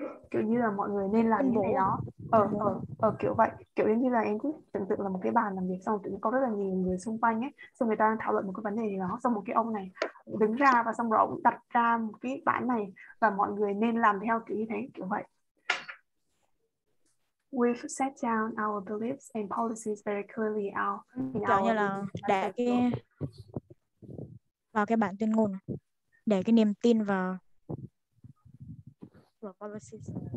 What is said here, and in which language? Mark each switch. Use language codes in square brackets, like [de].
[vi] kiểu như là mọi người nên làm cái này đó. Kiểu vậy, kiểu như là em cứ tưởng tượng là một cái bàn làm việc, xong tự nhiên có rất là nhiều người xung quanh ấy, xong người ta đang thảo luận một cái vấn đề gì đó, xong một cái ông này đứng ra và xong rồi ông đặt ra một cái bản này và mọi người nên làm theo kiểu như thế, kiểu vậy. [en] We've set down our beliefs and policies very clearly out. [vi] Kiểu như là để cái vào cái bản tuyên ngôn, để cái niềm tin vào policies.